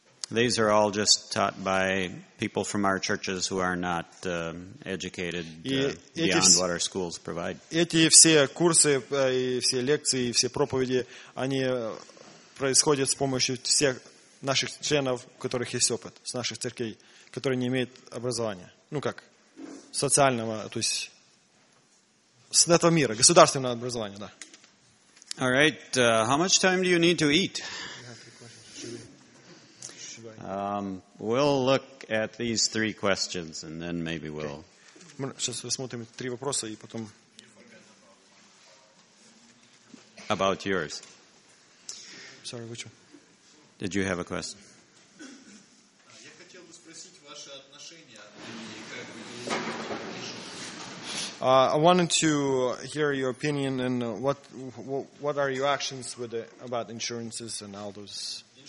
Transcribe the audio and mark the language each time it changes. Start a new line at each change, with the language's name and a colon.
English: These are all just taught by people from our churches who are not educated beyond what our schools provide.
Russian: Эти все курсы и все лекции и все проповеди, они происходят с помощью всех наших членов, у которых есть опыт, с наших церквей, которые не имеют образования. Ну как? Социального, то есть с этого мира, государственного образования, да.
English: All right, how much time do you need to eat? We'll look at these three questions and then maybe we'll...
Russian: Сейчас рассмотрим три вопроса и потом...
English: About yours. Sorry, which one? Did you have a question?
Russian: Я хотел бы спросить ваше отношение и как вы...
English: I wanted to hear your opinion and what are your actions with about insurances and all those...